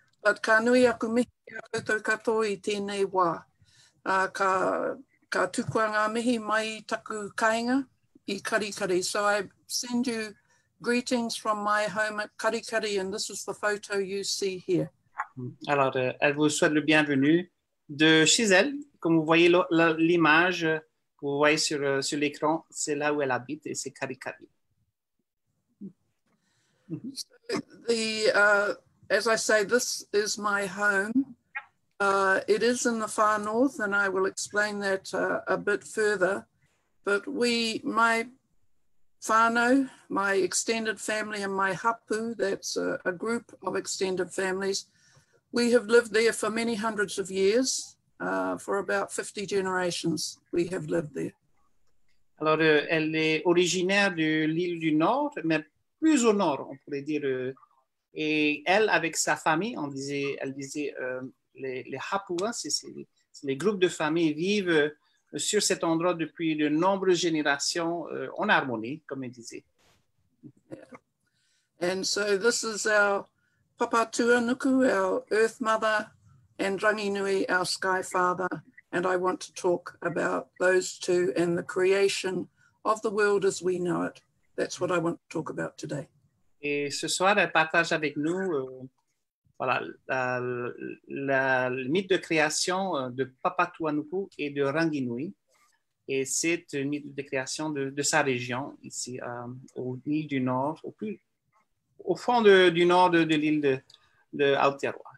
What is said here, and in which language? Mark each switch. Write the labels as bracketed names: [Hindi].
[Māori] But ka nui aku mihi a koutou katoa I tēnei wā. Ka tukua ngā mihi mai taku kāinga I Karikari. [English] So I send you greetings from my home at Karikari, and this is the photo you see here. [French] Alors, elle vous souhaite le bienvenue de chez elle. Comme vous voyez l'image que vous voyez sur l'écran, c'est là où elle habite et c'est Karikari. [English] So as I say, this is my home. It is in the far north, and I will explain that a bit further. But my whānau, my extended family, and my hapū, that's a group of extended families, we have lived there for many hundreds of years. For about 50 generations, we have lived there. [French] Alors, elle est originaire de l'île du Nord, mais plus au nord, on pourrait dire. Et elle, avec sa famille, les hapū, hein, c'est les groupes de famille, vivent sur cet endroit depuis de nombreuses générations en harmonie, comme elle disait. [English] Yeah. And so this is our Papatuanuku, our Earth Mother, and Ranginui, our Sky Father, And I want to talk about those two and the creation of the world as we know it. That's what I want to talk about today. [French] Et ce soir, elle partage avec nous voilà, le mythe de création de Papatuanuku et de Ranginui. Et c'est un mythe de création de sa région, ici, au nord du nord, au fond du nord de l'île de Aotearoa.